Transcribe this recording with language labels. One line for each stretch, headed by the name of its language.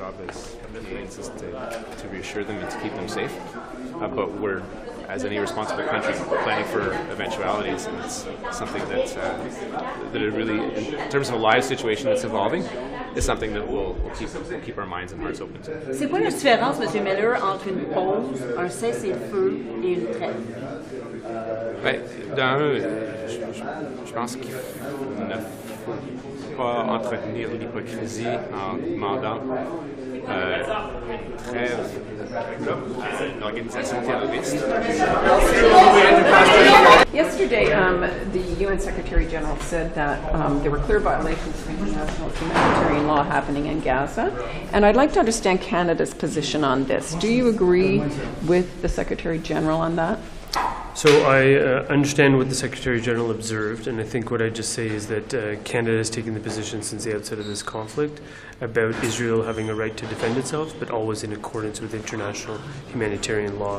English: Our job as MPs is to reassure them and to keep them safe, but we're, as any responsible country, planning for eventualities, and it's something that, in terms of a live situation that's evolving, is something that we'll keep our minds and hearts open to.
French: C'est quoi la différence, M. Miller, entre une pause, un cessez-le-feu et une trêve? Je pense qu'il ne faut pas entretenir l'hypocrisie en demandant une trêve à l'organisation terroriste.
English: Yesterday, the UN Secretary General said that there were clear violations of international humanitarian law happening in Gaza. And I'd like to understand Canada's position on this. Do you agree with the Secretary General on that? So I understand what the Secretary General observed, and I think what I'd just say is that Canada has taken the position since the outset of this conflict about Israel having a right to defend itself, but always in accordance with international humanitarian law.